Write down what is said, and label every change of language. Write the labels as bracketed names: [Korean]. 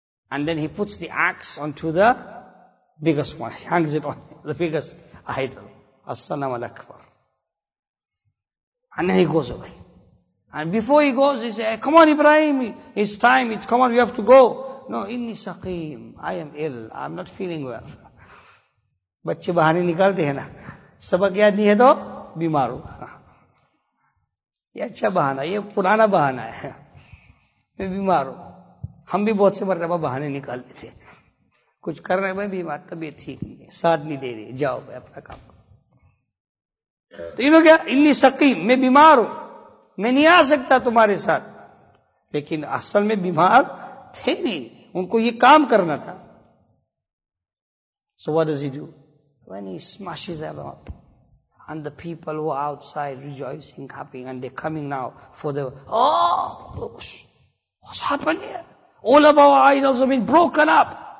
[English] And then he puts the axe onto the biggest one, he hangs it on the biggest idol, [Arabic] As-Sanam al-Akbar. [English] And then he goes away. And before he goes, he says, come on Ibrahim, it's time, it's come on, we have to go. No, [Arabic] inni saqim, [English] I am ill, I'm not feeling well. [Urdu] بچے بہانے نکالتے ہیں نا, سبق یاد نہیں ہے تو بیمار ہو. یہ اچھا بہانہ, یہ پرانا بہانہ ہے, میں بیمار ہوں. ہم بھی بہت سے مرتبہ بہانے نکال لیتے, کچھ کر رہے ہیں بیمار, طبیعت ٹھیک نہیں ہے, ساتھ نہیں دے رہی, جاؤ بھائی اپنا کام. تو انہوں کیا, [Arabic] انی سقیم, [Urdu] میں بیمار ہوں, میں نہیں آ سکتا تمہارے ساتھ. لیکن اصل میں بیمار تھے نہیں, ان کو یہ کام کرنا تھا. [English] So what does he do? When he smashes them up, and the people who are outside rejoicing, happy, and they're coming now for the, oh, what's happened here? All of our idols have been broken up.